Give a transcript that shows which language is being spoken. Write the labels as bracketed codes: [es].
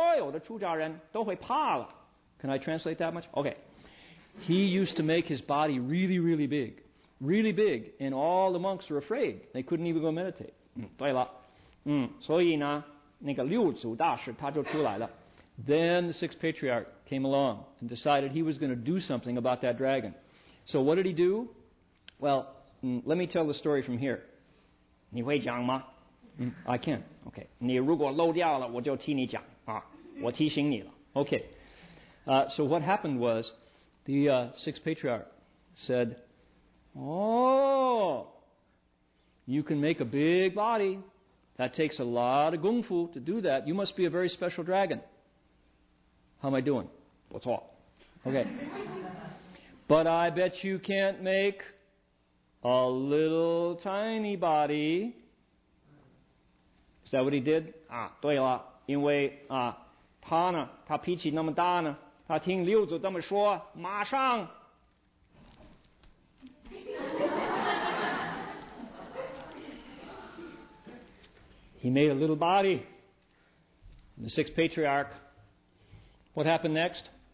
[zh] 他会生一个大身体，比我更大，很大很大。可是呢，他在现那个大身体，所有的出家人都会怕了。Can [en] I translate that much? Okay. He used to make his body really, really big. Really big. And all the monks were afraid. They couldn't even go meditate. [zh] 对了。所以呢，那个六祖大师他就出来了。Then [en] the sixth patriarch came along and decided he was going to do something about that dragon. So what did he do? Well, let me tell the story from here. [zh] 你会讲吗? [en] I can. Okay. [zh] 你如果漏掉了，我就替你讲啊，我提醒你了。Okay. [en] So what happened was, the sixth patriarch said, "Oh, you can make a big body. That takes a lot of gung fu to do that. You must be a very special dragon." How am I doing? [zh] 不错. [en] Okay. But I bet you can't make a little tiny body. Is that what he did? [zh] 对了，因为他脾气那么大呢，他听六祖这么说，马上。 [en] He made a little body. The sixth patriarch. What happened next?